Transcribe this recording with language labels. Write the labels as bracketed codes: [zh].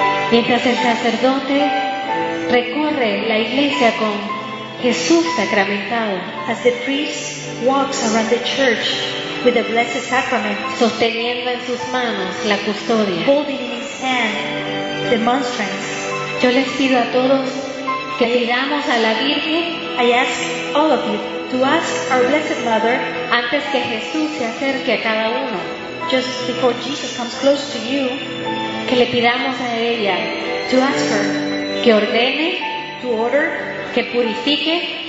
[es] Mientras el sacerdote recorre la iglesia con Jesús sacramentado. [en] As the priest walks around the church with the blessed sacrament. [es] Sosteniendo en sus manos la custodia. [en] Holding in his hand the monstrance. [es] Yo les pido a todos que pidamos a la Virgen. [en] I ask all of you to ask our Blessed Mother [es] antes que Jesús se acerque a cada uno, [en] just before Jesus comes close to you, [es] que le pidamos a ella, [en] to ask her [es] que ordene, [en] to order, [es] que purifique,